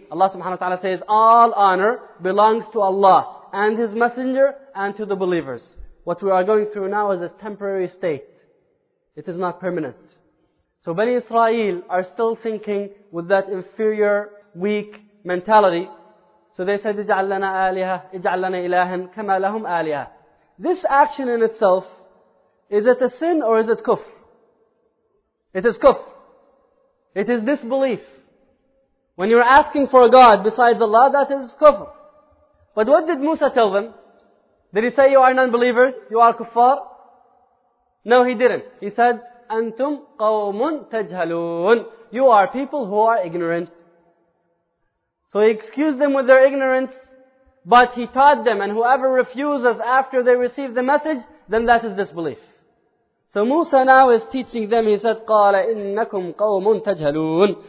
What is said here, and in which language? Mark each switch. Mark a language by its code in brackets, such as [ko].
[en] Allah subhanahu wa ta'ala says, all honor belongs to Allah and His Messenger and to the believers. What we are going through now is a temporary state. It is not permanent. So Bani Israel are still thinking with that inferior, weak mentality. So they said, [ar] اجعل لنا آلهة اجعل لنا إلها كما لهم آلهة. [en] This action in itself, is it a sin or is it kufr? It is kufr. It is disbelief. When you are asking for a God besides Allah, that is kufr. But what did Musa tell them? Did he say you are non-believers? You are kuffar? No, he didn't. He said, [ar] أنتم قوم تجهلون. [en] You are people who are ignorant. So he excused them with their ignorance, but he taught them, and whoever refuses after they receive the message, then that is disbelief. So Musa now is teaching them, he said, [ar] قَالَ إِنَّكُمْ قَوْمٌ تَجْهَلُونَ.